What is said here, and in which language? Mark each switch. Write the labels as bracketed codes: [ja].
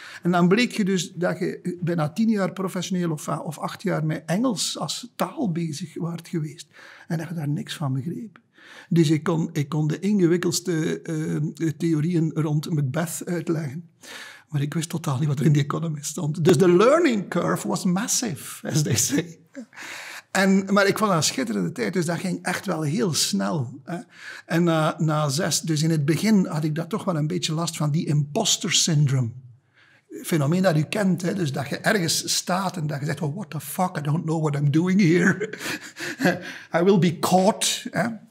[nl] En dan bleek je dus dat je bijna 10 jaar professioneel of 8 jaar met Engels als taal bezig waart geweest. En dat je daar niks van begreep. Dus ik kon de ingewikkeldste theorieën rond Macbeth uitleggen. Maar ik wist totaal niet wat er in die Economist stond. Dus de [en] learning curve was massive, as they say. [nl] Maar ik vond dat een schitterende tijd, dus dat ging echt wel heel snel. Hè. En na 6, dus in het begin had ik daar toch wel een beetje last van, die imposter syndrome. Fenomeen dat u kent, hè. Dus dat je ergens staat en dat je zegt, [en] well, what the fuck, I don't know what I'm doing here. I will be caught. Hè.